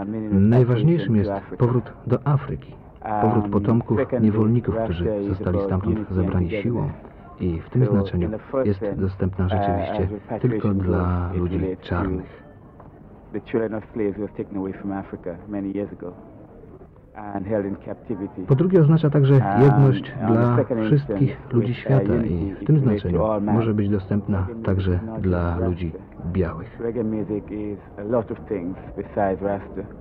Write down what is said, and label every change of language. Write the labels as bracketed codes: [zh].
[pl] Najważniejszym jest powrót do Afryki, powrót potomków niewolników, którzy zostali stamtąd zebrani siłą. I w tym znaczeniu jest dostępna rzeczywiście tylko dla ludzi czarnych. [en] the children of slaves was taken away from Africa many years ago and held in captivity. [pl] Po drugie oznacza także jedność dla wszystkich ludzi świata i w tym znaczeniu może być dostępna także dla ludzi białych. [en] Reggae music is a lot of things besides Rasta.